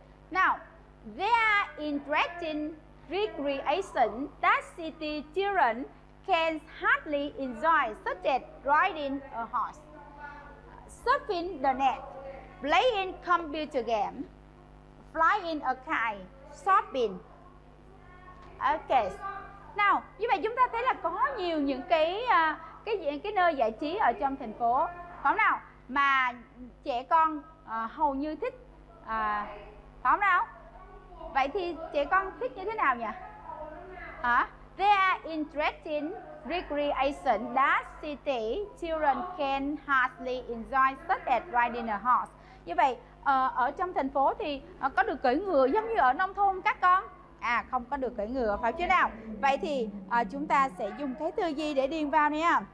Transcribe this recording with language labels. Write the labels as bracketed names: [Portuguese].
[English] Now, they are interesting recreation that city children can hardly enjoy, such as riding a horse, surfing the net, playing computer game, flying a kite, shopping. Okay. [Vietnamese] Nào, như vậy chúng ta thấy là có nhiều những cái nơi giải trí ở trong thành phố, phải không nào? Mà trẻ con hầu như thích, phải không nào? Vậy thì trẻ con thích như thế nào nhỉ? [English] À, they are interesting recreation that city children can hardly enjoy, such as riding a horse. [Vietnamese] Như vậy, ở trong thành phố thì có được cưỡi ngựa giống như ở nông thôn các con? À, không có được cưỡi ngựa, phải chưa nào? Vậy thì chúng ta sẽ dùng cái từ gì để điền vào nè?